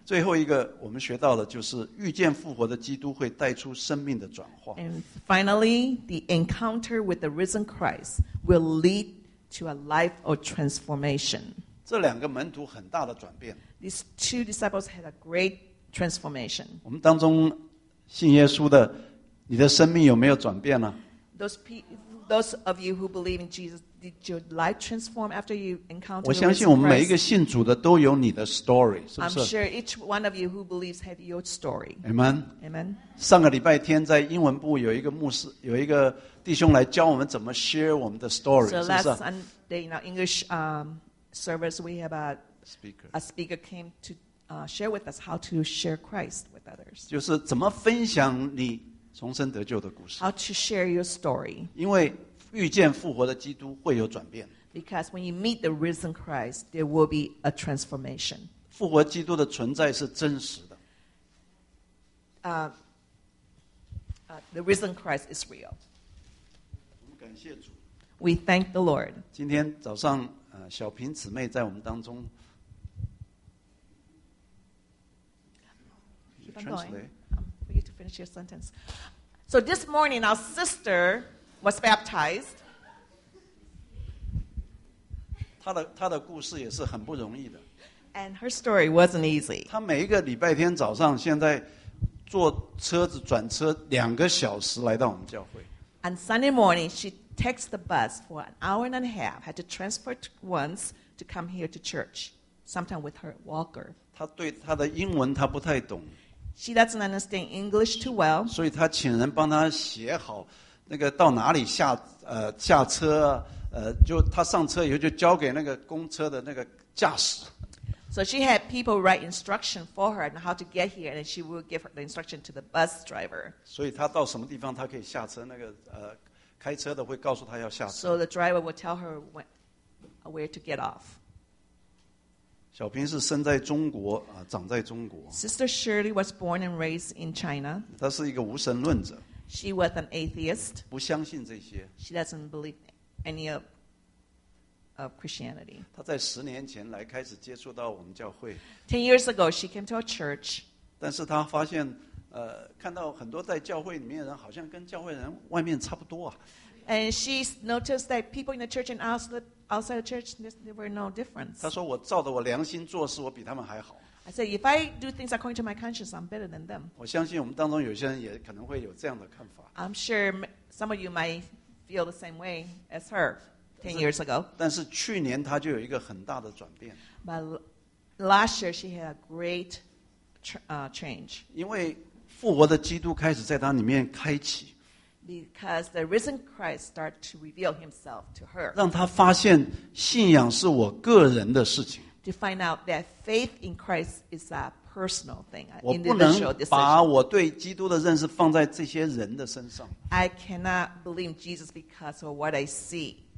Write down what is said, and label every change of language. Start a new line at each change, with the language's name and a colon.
Chinese: 最后一个我们学到的就是遇见复活的基督会带出生命的转化。
English: And finally, the encounter with the risen Christ will lead to a life of transformation.
Chinese: 这两个门徒很大的转变。
English: These two disciples had a great transformation.
Chinese: 我们当中信耶稣的，你的生命有没有转变呢？
English: Those of you who believe in Jesus, did your life transform after you encountered Christ?
Chinese: 我相信我们每一个信主的都有你的 story, 是不是？
English: I'm sure each one of you who believes have your story. Amen. Amen.
Chinese: 上个礼拜天在英文部有一个牧师，有一个弟兄来教我们怎么 share 我们的 story, 是不是？
English: So last Sunday in our English service, we have a speaker came to share with us how to share Christ with others.
Chinese: 就是怎么分享你重生得救的故事。
English: How to share your story.
Chinese: 因为遇见复活的基督会有转变。
English: Because when you meet the risen Christ, there will be a transformation.
Chinese: 复活基督的存在是真实的。
English: The risen Christ is real.
Chinese: 感谢主。
English: We thank the Lord.
Chinese: 今天早上，小平姊妹在我们当中。
English: Translate. For you to finish your sentence. So this morning, our sister was baptized.
Chinese: 她的故事也是很不容易的。
English: And her story wasn't easy.
Chinese: 她每一个礼拜天早上，现在坐车子转车两个小时来到我们教会。
English: On Sunday morning, she takes the bus for an hour and a half, had to transfer once to come here to church, sometimes with her walker.
Chinese: 她对她的英文她不太懂。
English: She doesn't understand English too well.
Chinese: 所以她请人帮她写好那个到哪里下车，就她上车以后就交给那个公车的那个驾驶。
English: So she had people write instruction for her on how to get here, and she would give her the instruction to the bus driver.
Chinese: 所以她到什么地方她可以下车，那个开车的会告诉她要下车。
English: So the driver would tell her where to get off.
Chinese: 小平是生在中国，长在中国。
English: Sister Shirley was born and raised in China.
Chinese: 她是一个无神论者。
English: She was an atheist.
Chinese: 不相信这些。
English: She doesn't believe any of. Of Christianity.
Chinese: 他在十年前来开始接触到我们教会。
English: 10 years ago, she came to a church.
Chinese: 但是他发现，看到很多在教会里面的人好像跟教会人外面差不多啊。
English: And she noticed that people in the church and outside the church, there were no difference.
Chinese: 他说我照着我良心做事，我比他们还好。
English: I said, if I do things according to my conscience, I'm better than them.
Chinese: 我相信我们当中有些人也可能会有这样的看法。
English: I'm sure some of you might feel the same way as her. 10 years ago.
Chinese: 但是去年她就有一个很大的转变。
English: But last year she had a great change.
Chinese: 因为复活的基督开始在她里面开启。
English: Because the risen Christ started to reveal himself to her.
Chinese: 让她发现信仰是我个人的事情。
English: To find out that faith in Christ is a personal thing.
Chinese: 我不能把我对基督的认识放在这些人的身上。
English: I cannot believe Jesus because of what I see.